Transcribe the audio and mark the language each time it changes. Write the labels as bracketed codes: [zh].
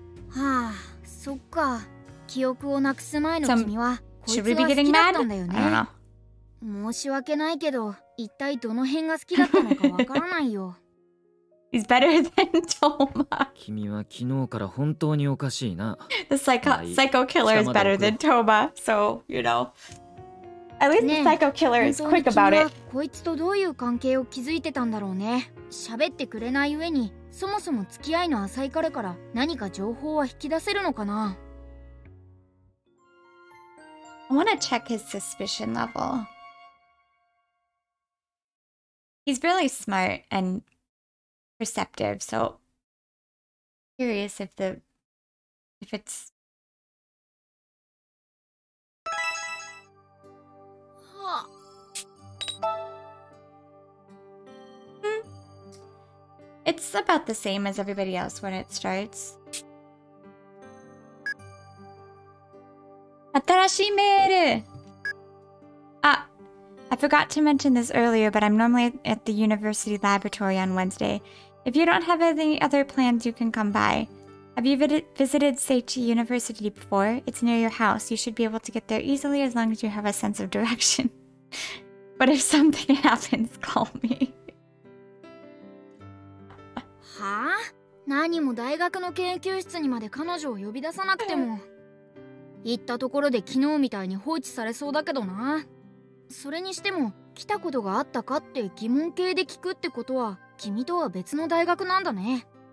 [ja] はあ、そっか。記憶をなくす前の君はこいつが好きだったんだよね。申し訳ないけど一体どの辺が好きだったのかわからないよ。 [en] Is better than Toma. [ja] 君は昨日から本当におかしいな。 [en] The psycho killer is better than Toma. So, you know. At least the psycho killer is quick about it. [ja] 本当に君はこいつとどういう関係を築いてたんだろうね。喋ってくれない上に、そもそも付き合いの浅い彼から何か情報は引き出せるのかな。 [en] I wanna check his suspicion level. He's really smart and... perceptive, so curious if the if it's it's about the same as everybody else when it starts. [ja] 新しいメール。 [en] I forgot to mention this earlier, but I'm normally at the university laboratory on Wednesday. If you don't have any other plans, you can come by. Have you visited Seichi University before? It's near your house. You should be able to get there easily as long as you have a sense of direction. But if something happens, call me. Huh? [ja] 何も大学の研究室にまで彼女を呼び出さなくても。行ったところで昨日みたいに放置されそうだけどな。それにしても来たことがあったかって疑問形で聞くってことは君とは別の大学なんだね。